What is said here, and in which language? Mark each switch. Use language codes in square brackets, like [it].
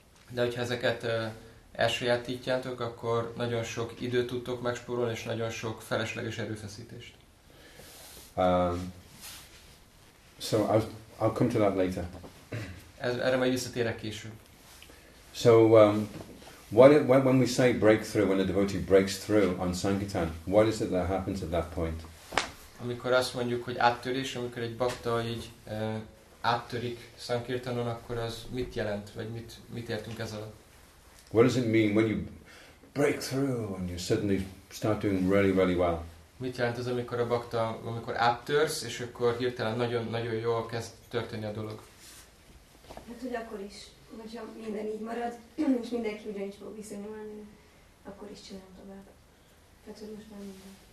[hu] De hogyha ezeket elsajátítjátok, akkor nagyon sok időt tudtok megspórolni, és nagyon sok felesleges erőfeszítést. [en] So I'll come to that later. [hu] Erre majd visszatérek később. [en] So when we say breakthrough, when a devotee breaks through on Sankirtan, what is it that happens at that point? [hu] Amikor azt mondjuk, hogy áttörés, amikor egy bakta így áttörik Sankirtanon, akkor az mit jelent, vagy mit értünk ez alatt? [en] What does it mean when you break through and you suddenly start doing really, really well? [hu] Mit jelent ez, amikor a bakta, amikor áttörsz, és akkor hirtelen nagyon-nagyon jól kezd történni a dolog? Hát, hogy akkor is, hogyha minden így marad, és mindenki ugyanis fog viszonyulni, akkor is csinálom tovább. Tehát, hogy most már minden.